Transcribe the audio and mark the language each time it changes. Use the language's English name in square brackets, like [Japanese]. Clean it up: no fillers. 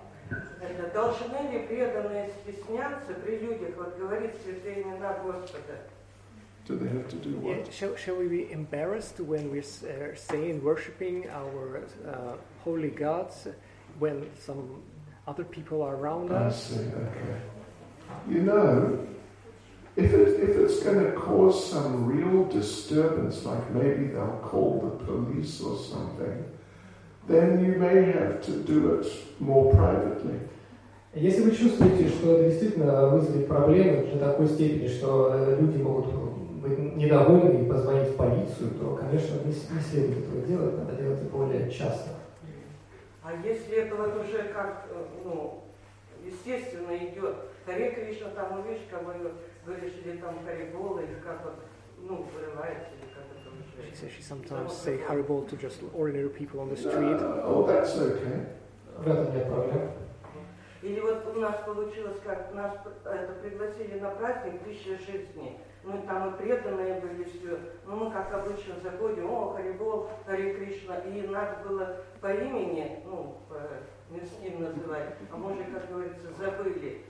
[Russian] Это должны ли преданные стесняться при людях, вот говорить святые имена Господа? [English] Do they have to do what? Yeah, shall we be embarrassed when we say in worshipping our holy gods when some other people are around us? I see, okay. You know, if it's going to cause some real disturbance, like maybe they'll call the police or something, then you may have to do it more privately. Если вы чувствуете, что это действительно вызовет проблемы до такой степени, что люди могут быть недовольны и позвонить в полицию, то, конечно, не следует этого делать, надо делать это более часто. [Russian] А если это вот уже как, ну, естественно идет, Харе Кришна там, ну, видишь, как вы говоришь, или там Харибол, или как вот, ну, вырывается, или как это уже. [English] She says she sometimes say Харибол to just ordinary people on the street. Oh, that's okay. [Russian] В этом нет проблем. Или вот у нас получилось, как нас это пригласили на праздник «Тысяча жизней». Ну, там и преданные были все. Ну, мы как обычно заходим, о, Харибол, Харе Кришна. И надо было по имени, ну, по местным называть, а мы же, как говорится, забыли.